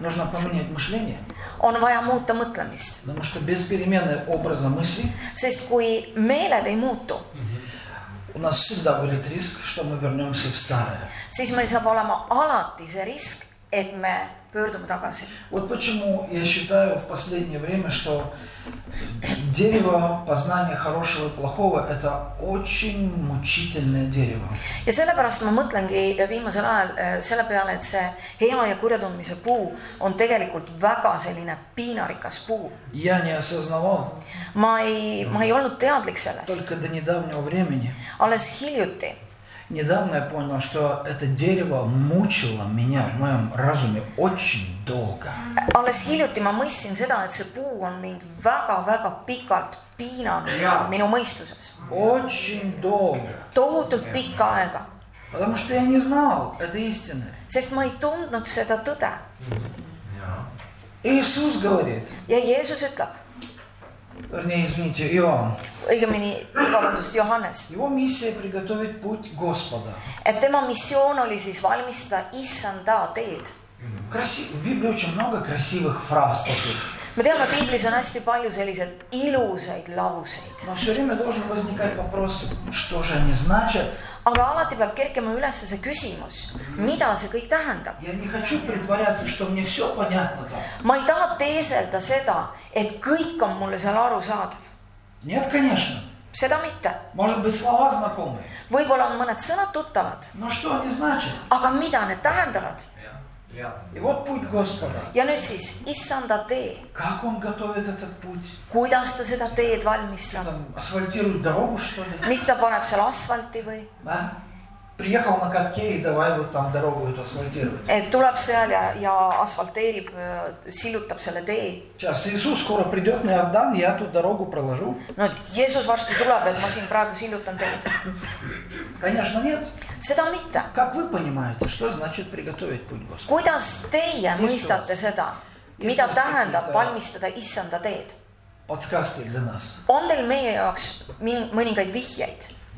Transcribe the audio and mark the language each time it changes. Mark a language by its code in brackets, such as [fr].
[ru] Нужно поменять мышление. [et] On vaja muuta mõtlemist. [ru] Потому что без перемены образа мысли. [et] Sest kui meeled ei muutu. [ru] У нас всегда будет риск, что мы вернемся в старое. [et] Siis meil saab olema alati see risk, et me pöördume tagasi. [ru] Вот почему я считаю в последнее время, что дерево познания хорошего и плохого – это очень мучительное дерево. [et] Ja sellepärast ma mõtlengi viimasel ajal selle peale, et see hea ja kurjatundmise puu on tegelikult väga selline piinarikas puu. [ru] Я не осознавал. [et] Ma ei olnud teadlik sellest. [ru] Только до недавнего времени. [et] Alles hiljuti. [ru] Недавно я понял, что это дерево мучило меня в моем разуме очень долго. [et] Alles hiljuti ma mõistsin seda, et see puu on mind väga pikalt piinanud minu mõistuses. [ru] Очень долго. [et] Tohutult pikka aega. [ru] Потому что я не знал этой истины. [et] Sest ma ei tundnud seda tõde. [ru] Иисус говорит. [et] Ja Jeesus ütleb. [ru] Вернее, извините, Иоанн. [et] Õigemini, vabandust, Johannes. [ru] Его миссия приготовить путь Господа. [et] Et tema missioon oli siis valmistada Issanda teed. [ru] Красив... В Библии очень много красивых фраз таких. [et] Me teame, Biblis on hästi palju selliseid ilusaid lauseid. [ru] Но все время должен возникать вопрос, что же они значат. [et] Aga alati peab kerkema üles see küsimus, mida see kõik tähendab. [ru] Я не хочу притворяться, что мне все понятно. [et] Ma ei taha teeselda seda, et kõik on mulle seal aru saada. [ru] Нет, конечно. [et] Seda mitte. [ru] Может быть, слова знакомые. [et] Võibolla on mõned sõnad tuttavad. [ru] Но что они значат? [et] Aga mida need tähendavad? [ru] Ja вот путь Господа. [et] Ja nüüd siis, Issanda tee. [ru] Как он готовит этот путь? [et] Kuidas ta seda teed valmistab? [ru] Асфальтирует дорогу, что ли? [et] Mis ta paneb seal asfalti või? [ru] Ma приехал на катке и давай вот там дорогу эту асфальтировать. [et] Et tuleb seal ja асфальтирует, sillutab selle tee. [ru] Сейчас Иисус скоро придет на Иордан, я тут дорогу проложу. [et] No, Jeesus varsti tuleb, et ma siin praegu sillutan teed. [ru] Конечно, нет. [et] Seda mitte. [ru] Как вы понимаете, что значит приготовить путь Господа? [et] Kuidas teie mõistate seda, mida tähendab valmistada Issanda teed? [ru] Подсказки для нас. [et] On teil meie jaoks mõningaid vihjeid?